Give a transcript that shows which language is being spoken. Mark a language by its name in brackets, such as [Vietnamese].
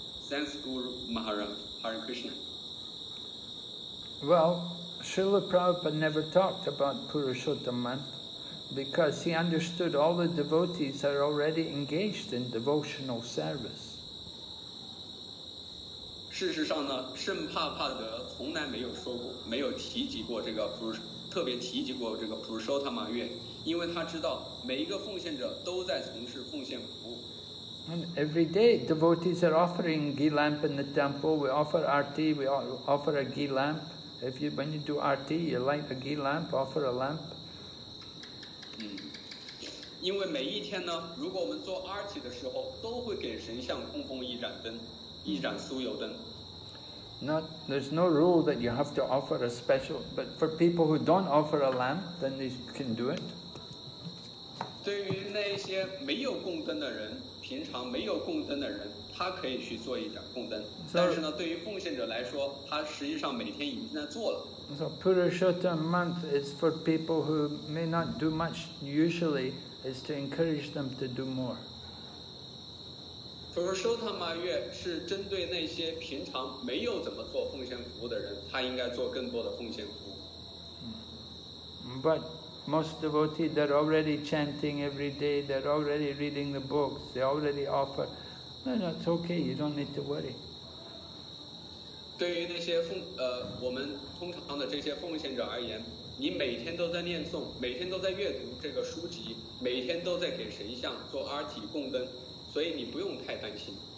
[English] Thanks, Guru Maharaj. Hare Krishna. Well, Srila Prabhupada never talked about Purushottama month because he understood all the devotees are already engaged in devotional service. [Chinese] 事实上呢，圣帕帕德从来没有说过，没有提及过这个普，特别提及过这个普舍塔玛月，因为他知道每一个奉献者都在从事奉献服务。 [English] And every day, devotees are offering ghee lamp in the temple. We offer arti, we offer a ghee lamp. If you, when you do arti, you light a ghee lamp, offer a lamp. [Chinese] 因为每一天呢，如果我们做arti的时候，都会给神像供奉一盏灯，一盏酥油灯。 [English] There's no rule that you have to offer a special, but for people who don't offer a lamp, then they can do it. [Chinese] 对于那些没有供灯的人，平常没有供灯的人，他可以去做一盏供灯。 [English] So, [Chinese] 但是呢，对于奉献者来说，他实际上每天已经在做了。 [English] So Purushottama month is for people who may not do much usually, is to encourage them to do more. [Chinese] Purushottama 月是针对那些平常没有怎么做奉献服务的人，他应该做更多的奉献服务。 [English] But. Most devotees, they're already chanting every day, they're already reading the books, they already offer. No, no, it's okay, you don't need to worry. [Chinese] 对于那些我们通常的这些奉献者而言，你每天都在念诵，每天都在阅读这个书籍，每天都在给神像做arti供灯，所以你不用太担心。